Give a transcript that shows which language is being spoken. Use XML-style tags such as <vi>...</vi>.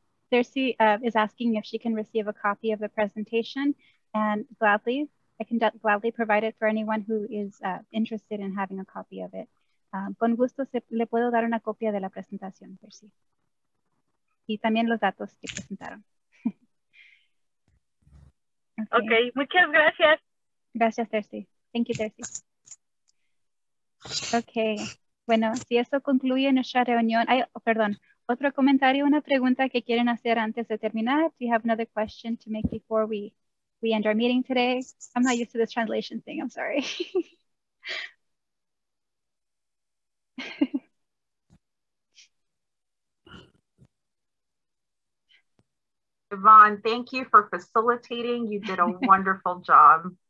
<en>Circe is asking if she can receive a copy of the presentation, and gladly, I can gladly provide it for anyone who is interested in having a copy of it.</en> <es>Con gusto le puedo dar una copia de la presentación, Circe. Y también los datos que presentaron. Okay. Okay, muchas gracias. Gracias, Circe.</es> <en>Thank you,</en> <es>Circe. Okay, bueno, si eso concluye nuestra reunión, ay, perdón, otro comentario, una pregunta que quieren hacer antes de terminar.</es> <en>Do you have another question to make before we end our meeting today? I'm not used to this translation thing, I'm sorry. Yvonne, thank you for facilitating. You did a wonderful job.</en>